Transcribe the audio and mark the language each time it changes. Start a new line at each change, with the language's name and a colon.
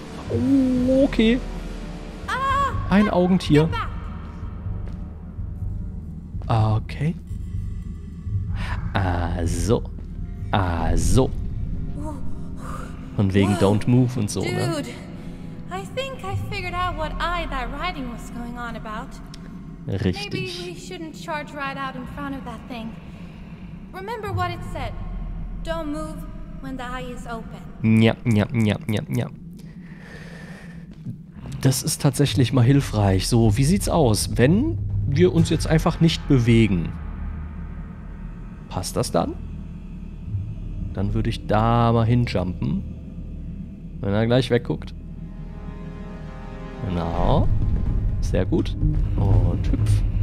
German: Oh, okay. Ein Augentier. Okay. Also. Also. Von wegen
English: Don't Move
German: und so, ne?
English: I think I figured out what I that writing was going on about.
German: Richtig.
English: Maybe we shouldn't charge right out in front of that thing. Remember what it said. Don't move when the eye is open.
German: Ja, ja, ja, ja, ja. Das ist tatsächlich mal hilfreich. So, wie sieht's aus, wenn wir uns jetzt einfach nicht bewegen? Passt das dann? Dann würde ich da mal hinjumpen. Wenn er gleich wegguckt. Genau. Sehr gut. Und hüpf.